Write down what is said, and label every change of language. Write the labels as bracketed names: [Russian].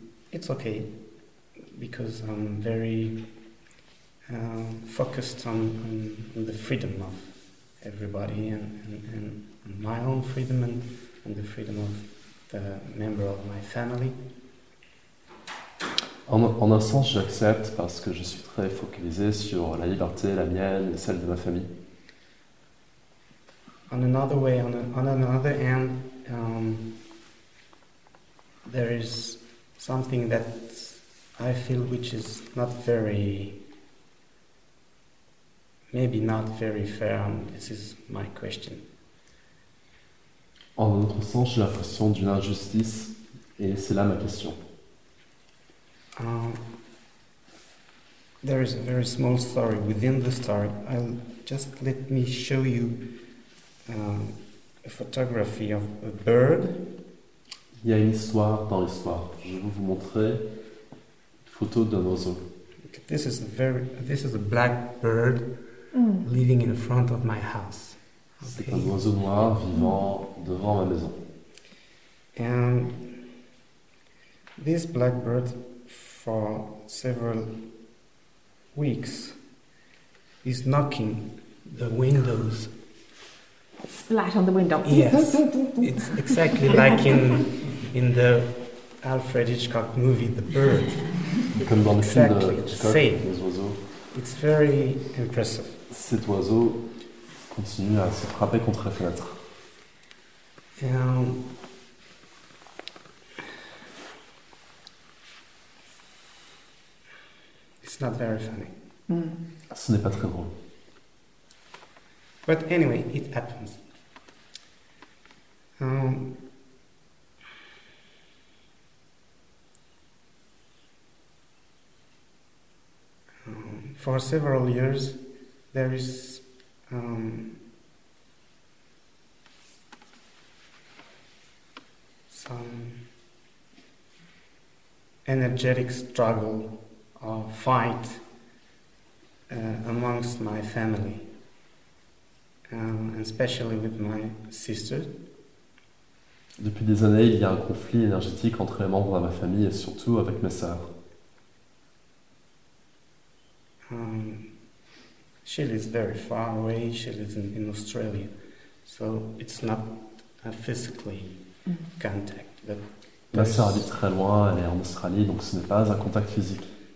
[English] It's okay, because I'm very focused on the freedom of everybody and my own freedom and the freedom of the member of my family. [French] En un sens, j'accepte parce que je suis très focalisé sur la liberté, la mienne et celle de ma famille. [English] On another hand, there is something that I feel which is not very fair, and this is my question. [French] En un autre sens, j'ai l'impression d'une injustice, et c'est là ma question. [English] There is a very small story within the story. I'll just let me show you a photography of a bird. [French] Il y a une histoire dans l'histoire. Je vais vous montrer une photo d'un oiseau. [English] This is a black bird living in front of my house. Okay. [French] C'est un oiseau noir vivant devant ma maison. [English] And this black bird, for several weeks, is knocking the windows. Splat on the window. Yes, it's exactly like in the Alfred Hitchcock movie, The Bird. [French] Comme dans le film de Hitchcock, les oiseaux. [English] It's very impressive. [French] Cet oiseau continue à se frapper contre la fenêtre. [English] It's not very funny. [French] Ce n'est pas très drôle. [English] But anyway, it happens. For several years, there is some energetic struggle or fight amongst my family, especially with my sister. [French] Depuis des années, il y a un conflit énergétique entre les membres de ma famille et surtout avec mes sœurs. [English] She lives very far away. She lives in Australia, so it's not a physically contact. [French] Ma sœur habite très loin. Elle est en Australie, donc ce n'est pas un contact physique.